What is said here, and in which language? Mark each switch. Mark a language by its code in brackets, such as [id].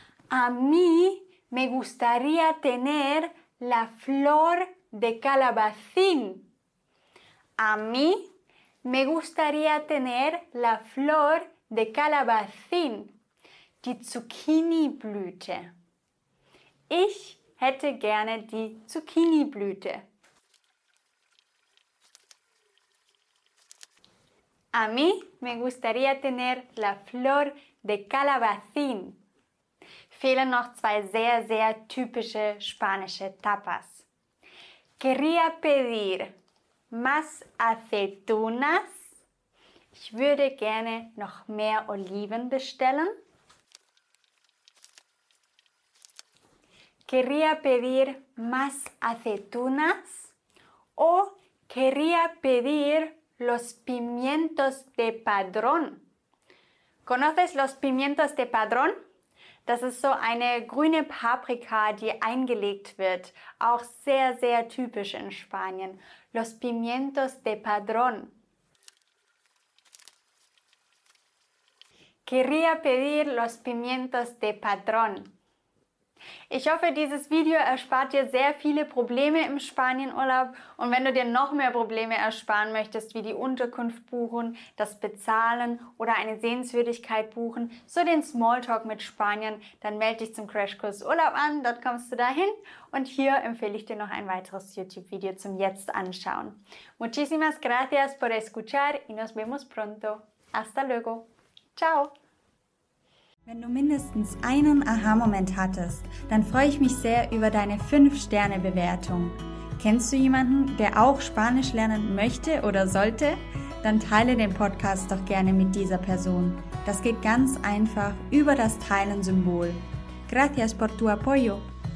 [es] A mí me gustaría tener la flor de calabacín. A mí me gustaría tener la flor de calabacín. [de] Die Zucchini-Blüte. Ich hätte gerne die Zucchini-Blüte. [es] A mí me gustaría tener la flor de calabacín. [de] Fehlen noch zwei sehr, sehr typische spanische Tapas. [es] Quería pedir más aceitunas. [de] Ich würde gerne noch mehr Oliven bestellen. [es] Quería pedir más aceitunas o quería pedir los pimientos de padrón. ¿Conoces los pimientos de padrón? [de] Das ist so eine grüne Paprika, die eingelegt wird. Auch sehr, sehr typisch in Spanien. [es] Los pimientos de padrón. Quería pedir los pimientos de padrón. [de] Ich hoffe, dieses Video erspart dir sehr viele Probleme im Spanienurlaub. Und wenn du dir noch mehr Probleme ersparen möchtest, wie die Unterkunft buchen, das Bezahlen oder eine Sehenswürdigkeit buchen, so den Smalltalk mit Spaniern, dann melde dich zum Crashkurs Urlaub an, dort kommst du dahin. Und hier empfehle ich dir noch ein weiteres YouTube-Video zum Jetzt anschauen. [es] Muchísimas gracias por escuchar y nos vemos pronto. Hasta luego. Ciao. [de] Wenn du mindestens einen Aha-Moment hattest, dann freue ich mich sehr über deine 5-Sterne-Bewertung. Kennst du jemanden, der auch Spanisch lernen möchte oder sollte? Dann teile den Podcast doch gerne mit dieser Person. Das geht ganz einfach über das Teilen-Symbol. [es] Gracias por tu apoyo.